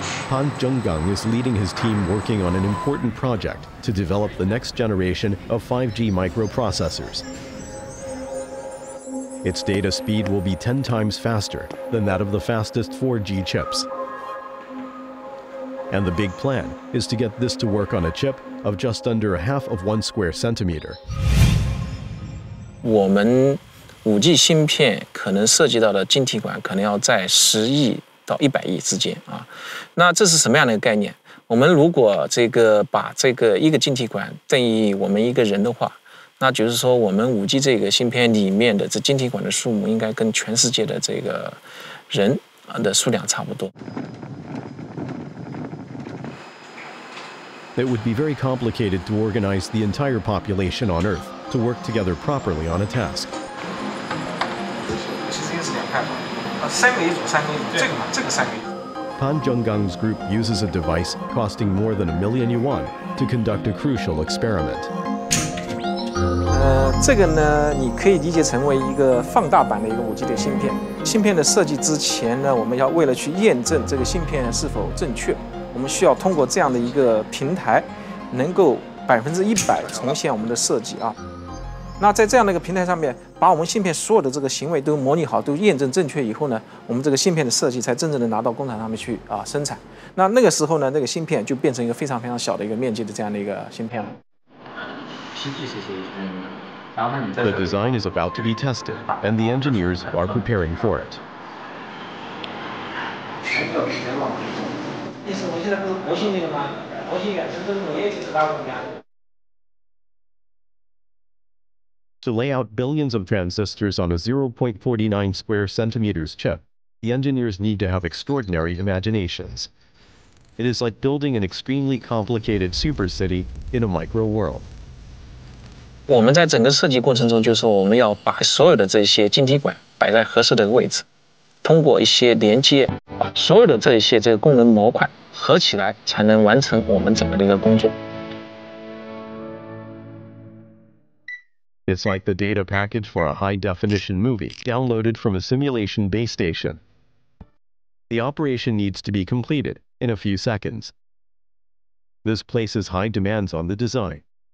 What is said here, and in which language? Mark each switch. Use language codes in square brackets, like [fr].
[en] Han Zhenggang is leading his team working on an important project to develop the next generation of 5G microprocessors. Its data speed will be 10 times faster than that of the fastest 4G chips. And the big plan is to get this to work on a chip of just under a half of one square centimeter. [zh] 我们 5G 芯片可能涉及到的晶体管可能要在10亿到100亿之间啊。那这是什么样的一个概念？我们如果这个把这个一个晶体管等于我们一个人的话，那就是说我们 5G 这个芯片里面的这晶体管的数目应该跟全世界的这个人的数量差不多。 [en] It would be very complicated to organize the entire population on Earth to work together properly on a task. [zh] 其实也是两派嘛，三个一组，三个一组，这个嘛，这个三个一组。 [en] Pan Zhenggang's group uses a device costing more than ¥1 million to conduct a crucial experiment. [zh] 这个呢，你可以理解成为一个放大版的一个 5G 的芯片。芯片的设计之前呢，我们要为了去验证这个芯片是否正确，我们需要通过这样的一个平台，能够100%重现我们的设计啊。那在这样的一个平台上面，把我们芯片所有的这个行为都模拟好，都验证正确以后呢，我们这个芯片的设计才真正的拿到工厂上面去啊生产。那那个时候呢，那个芯片就变成一个非常非常小的一个面积的这样的一个芯片了。皮具是谁？ [en] The design is about to be tested, and the engineers are preparing for it. To lay out billions of transistors on a 0.49 square centimeters chip, the engineers need to have extraordinary imaginations. It is like building an extremely complicated super city in a micro world. [zh] 我们在整个设计过程中，就是我们要把所有的这些晶体管摆在合适的位置，通过一些连接，把所有的这些这个功能模块合起来，才能完成我们整个的一个工作。 [en] It's like the data package for a high-definition movie downloaded from a simulation base station. The operation needs to be completed in a few seconds. This places high demands on the design.